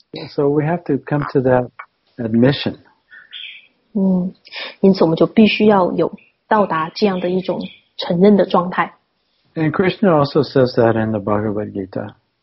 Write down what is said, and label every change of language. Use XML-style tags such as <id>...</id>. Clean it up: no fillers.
<en>So we have to come to that admission.</en> <zh>因此我们就必须要有到达这样的一种承认的状态。</zh> <en>And Krishna also says that in the Bhagavad Gita.</en>